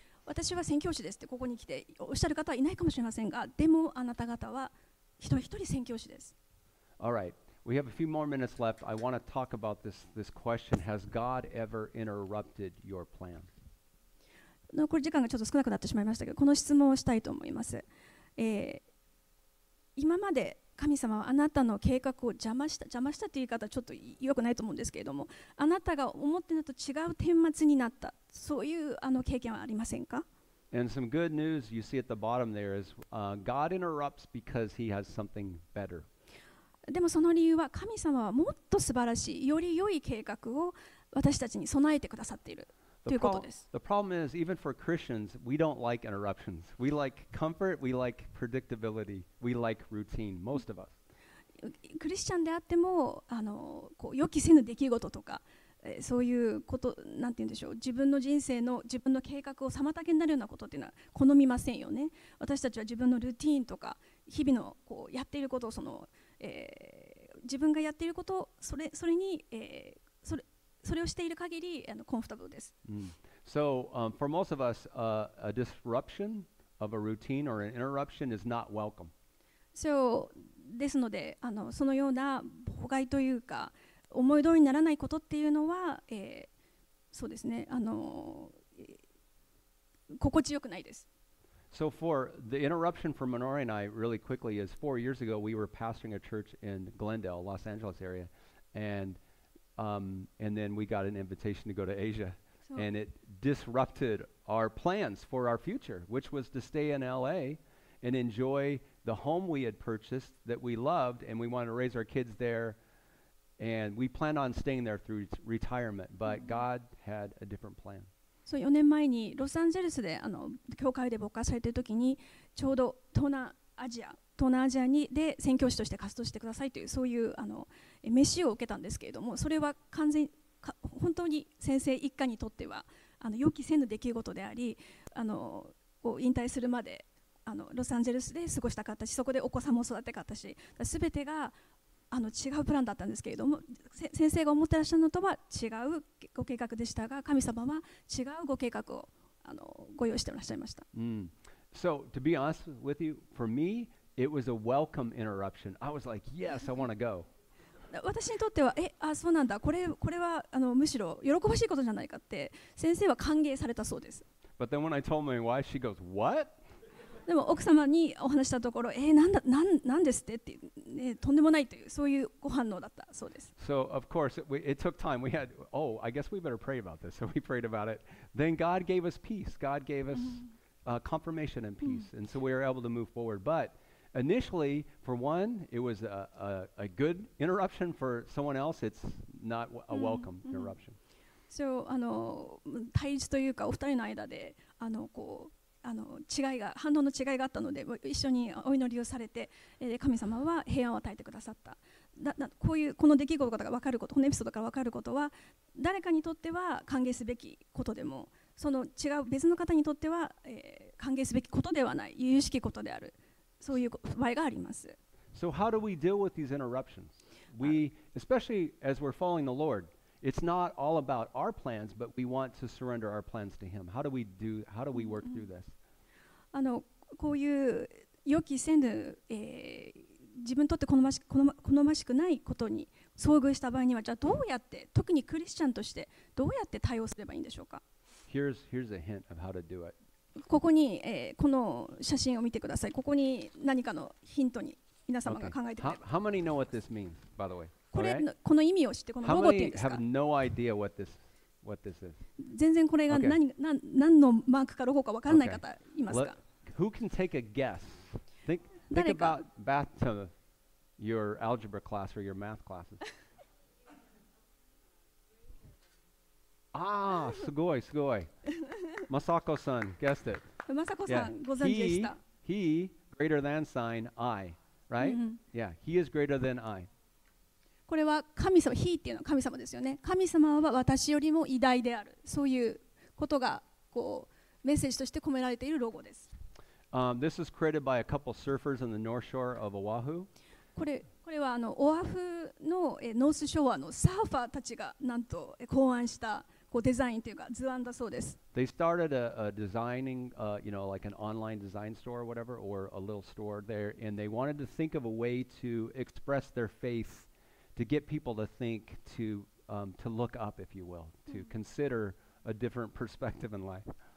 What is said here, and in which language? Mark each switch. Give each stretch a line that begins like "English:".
Japanese: 私は宣教師ですってここに来ておっしゃる方はいないかもしれませんが、でもあなた方は一人一人宣教師です。
English: All right, we have a few more minutes left. I want to talk about this question: Has God ever interrupted your plan?
Japanese: 残り時間がちょっと少なくなってしまいましたけど、この質問をしたいと思います。今まで神様はあなたの計画を邪魔したという言い方はちょっと良くないと思うんですけれども、あなたが思っていたと違う顛末になった、そういうあの経験はありませんか。
English: And some good news you see at the bottom there is God interrupts because he has something better.
Japanese: でもその理由は、神様はもっと素晴らしい、より良い計画を私たちに備えてくださっているということです。
English: The problem is even for Christians we don't like interruptions. We like comfort, we like predictability, we like routine, most of us.
Japanese: クリスチャンであっても、あのこう予期せぬ出来事とか、そういうこと、なんて言うんでしょう、自分の人生の自分の計画を妨げになるようなことっていうのは好みませんよね。私たちは自分のルーティーンとか日々のこうやっていることを、その、自分がやっていることを、それに、それをしている限りあのコンフォータブルです。
English: So, for most of us, a disruption of a routine or an interruption is not welcome.
Japanese: So, ですので、あの、そのような妨害というか、思い通りにならないことっていうのは、そうですね、あの、心地よくないです。
English: So for the interruption for Minori and I, really quickly, is 4 years ago we were pastoring a church in Glendale, Los Angeles area, and then we got an invitation to go to Asia, and it disrupted our plans for our future, which was to stay in LA and enjoy the home we had purchased that we loved, and we wanted to raise our kids there, and we planned on staying there through retirement, but God had a different plan.
Japanese: そう4年前にロサンゼルスであの教会で牧歌されているときにちょうど東南アジアにで宣教師として活動してくださいというそういうあの召しを受けたんですけれどもそれは完全本当に先生一家にとってはあの予期せぬ出来事でありあのを引退するまであのロサンゼルスで過ごしたかったしそこでお子さんも育てたかったしすべてがあの違うプランだったんですけれども先生が思ってらっしゃるのとは違うご計画でしたが神様は違うご計画をあのご用意してらっしゃいました、
English: So to be honest with you, for me, it was a welcome interruption. I was like, yes, I want to go.
Japanese: 私にとってはえあそうなんだこれはあのむしろ喜ばしいことじゃないかって先生は歓迎されたそうです
English: But then when I told my wife, she goes, what?
Japanese: でも奥様にお話したところ、なんですってって、ね、とんでもないというそういうご反応だったそうです。
English: So of course it took time. We had, oh, I guess we better pray about this. So we prayed about it. Then God gave us peace. God gave us confirmation and peace. And so we were able to move forward. But initially, for one, it was a good interruption. For someone else, it's not a welcome interruption.
Japanese: So あの対立というかお二人の間で、あのこう。あの違いが反応の違いがあったので一緒にお祈りをされて、神様は平安を与えてくださった。こういうこの出来事が分かること、このエピソードから分かることは誰かにとっては歓迎すべきことでも、その違う別の方にとっては、歓迎すべきことではない、由々しきことである。そういう場合があります。
English: So how do we deal with these interruptions? We, especially as we're following the Lord. It's not all about our plans, but we want to surrender our plans to Him. How do we work through this?
Japanese: あの、こういう予期せぬ、自分にとって好ましくないことに遭遇した場合には、じゃあどうやって、特にクリスチャンとしてどうやって対応すればいいんでしょうか?
English: Here's a hint of how to do it.
Japanese: ここに、この写真を見てください。ここに何かのヒントに皆様が考えてください。
English: How many know what this means, by the way?
Japanese: この意味を知ってこのロゴって言うんですか?
English: How many have no idea what this is?
Japanese: 全然これが何のマークかロゴか分からない方いますか?
English: Who can take a guess? Think about back to your algebra class or your math classes. Ah,
Japanese: すごいすごい。
English: Masako-san, guessed it.
Japanese: Masako-san, ご存知でした。
English: He, greater than sign, I, right? Yeah, he is greater than I.
Japanese: これは神様、He っていうのは神様ですよね。神様は私よりも偉大である。そういうことがこうメッセージとして込められているロゴです。
English: This is created by a couple surfers on the North Shore of Oahu.
Japanese: これはあのオアフの、ノースショアのサーファーたちがなんと考案したこうデザインというか図案だそうです。
English: They started a designing, you know, like an online design store or whatever, or a little store there, and they wanted to think of a way to express their faithto get people to think, to look up, if you will, to consider a different perspective in life.